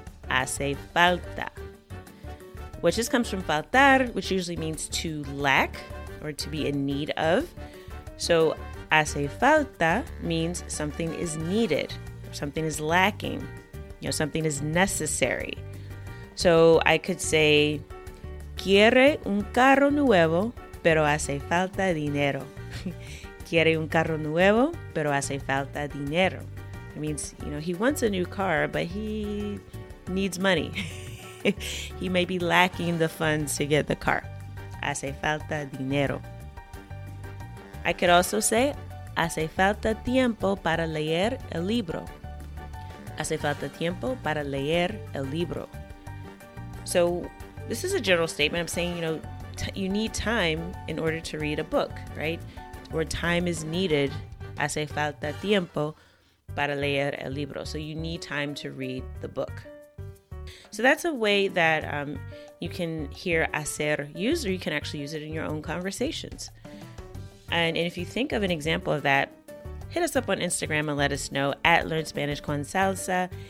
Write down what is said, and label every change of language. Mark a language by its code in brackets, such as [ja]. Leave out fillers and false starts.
[es] Hace falta. [en] Which just comes from faltar, which usually means to lack or to be in need of. So, hace falta means something is needed, something is lacking, you know, something is necessary. So, I could say, [es] quiere un carro nuevo, pero hace falta dinero. Quiere un carro nuevo, pero hace falta dinero. [en] It means, you know, he wants a new car, but he needs money. He may be lacking the funds to get the car. [es] Hace falta dinero. [en] I could also say, [es] hace falta tiempo para leer el libro. Hace falta tiempo para leer el libro. [en] So this is a general statement. I'm saying, you know, you need time in order to read a book, right? Or time is needed. [es] Hace falta tiempo para leer el libro. [en] So you need time to read the book. So that's a way that you can hear hacer used, or you can actually use it in your own conversations. And if you think of an example of that, hit us up on Instagram and let us know at Learn Spanish con Salsa.